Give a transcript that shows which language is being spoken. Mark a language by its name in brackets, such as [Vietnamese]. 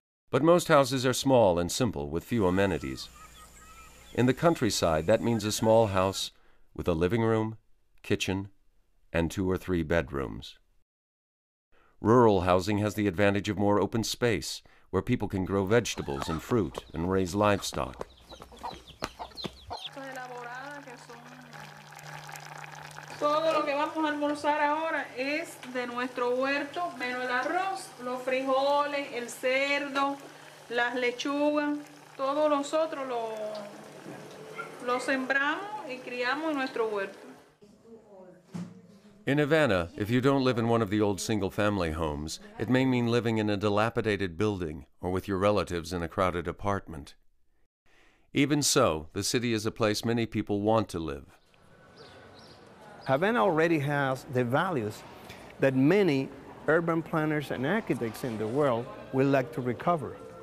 [English] But most houses are small and simple, with few amenities. In the countryside, that means a small house with a living room, kitchen, and two or three bedrooms. Rural housing has the advantage of more open space, where people can grow vegetables and fruit and raise livestock. [Spanish] Todo lo que vamos a almorzar ahora es de nuestro huerto, menos el arroz, los frijoles, el cerdo, las lechugas. Todos nosotros lo sembramos y criamos en nuestro huerto. [English] In Havana, if you don't live in one of the old single-family homes, it may mean living in a dilapidated building or with your relatives in a crowded apartment. Even so, the city is a place many people want to live. Havana already has the values that many urban planners and architects in the world would like to recover.